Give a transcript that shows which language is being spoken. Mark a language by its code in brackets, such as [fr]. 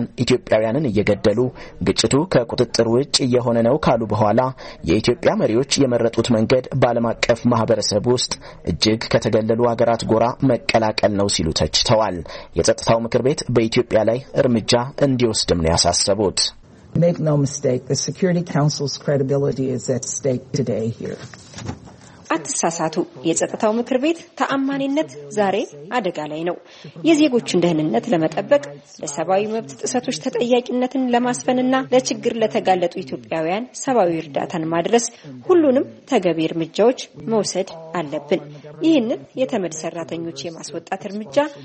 [am] ኢትዮጵያውያንን እየገደሉ ግጭቱ ከቁጥጥር ውጪ የሆነ ነው ካሉ በኋላ የኢትዮጵያ መሪዎች የመረጡት መንገድ በዓለም አቀፍ ማህበረሰብ ውስጥ እጅግ ከተገለሉ አገራት ጎራ መቀላቀል ነው ሲሉ ተችተዋል። የጸጥታው ምክር ቤት በኢትዮጵያ ላይ እርምጃ እንዲወስድም ነው ያሳሰቡት። [en] Make no mistake, the Security Council's credibility is at stake today here. [am] አትሳሳቱ፣ የጸጥታው ምክር ቤት ተአማኒነት ዛሬ አደጋ ላይ ነው። የዜጎችን ደህንነት ለመጠበቅ፣ ለሰብአዊ መብት ጥሰቶች ተጠያቂነትን ለማስፈንና ለችግር ለተጋለጡ ኢትዮጵያውያን ሰብአዊ እርዳታን ማድረስ ሁሉንም ተገቢ እርምጃዎች መውሰድ አለብን። ይህንን የተመድ ሰራተኞች የማስወጣት እርምጃ